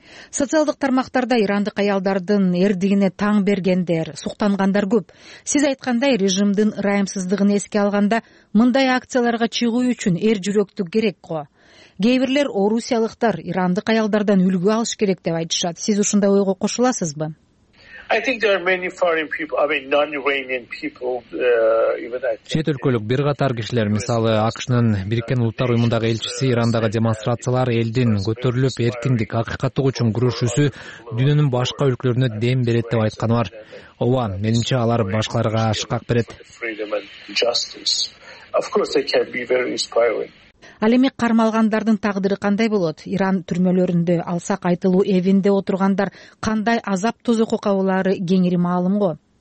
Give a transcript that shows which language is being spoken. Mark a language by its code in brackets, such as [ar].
[ky] Социалдык тармактарда ирандык аялдардын эрдигине таң бергендер, суктангандар көп. Сиз айткандай, режимдин ырайымсыздыгын эске алганда, мындай акцияларга чыгуу үчүн эр жүрөктүк керек го. Кээ бирлер орусиялыктар ирандык аялдардан үлгү алыш керек деп айтышат. Сиз ушундай ойго кошуласызбы? [en] I think there are many foreign people, non-Iranian people, [ky] Чет өлкөлүк бир катар кишилер, мисалы, АКШнын Бириккен Улуттар Уюмундагы элчиси Ирандагы демонстрациялар элдин көтөрүлүп, эркиндик, акыйкаттык үчүн күрөшүүсү дүйнөнүн башка өлкөлөрүнө дем берет деп айткан бар. Ооба, менимче алар башкаларга ашкак берет. [en] Of course they can be very inspiring. [ky] Ал эми кармалгандардын тагдыры кандай болот? Иран түрмөлөрүндө алсак, айтылуу эвинде отургандар кандай азап тозокко кабылары кеңири маалым го.